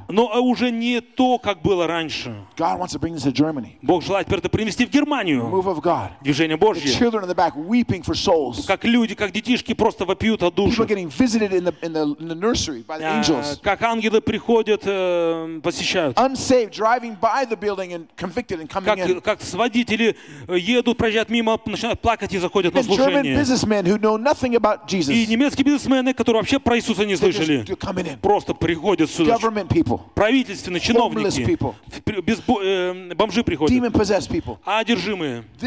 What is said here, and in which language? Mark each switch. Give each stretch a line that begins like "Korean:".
Russian: Но уже не то, как было раньше. Бог желает это принести в Германию. Движение Божье.
English: Back,
Russian: как люди, как детишки просто вопиют о душах. Как ангелы приходят, посещают.
English: Unsaved, driving by the building and convicted and coming
Russian: как,
English: in.
Russian: Как водители едут, проезжают мимо, начинают плакать и заходят
English: and
Russian: на служение.
English: German businessmen who know nothing about Jesus.
Russian: Немецкие бизнесмены, которые вообще про Иисуса не слышали, просто приходят сюда. Правительственные, чиновники, бомжи приходят, одержимые.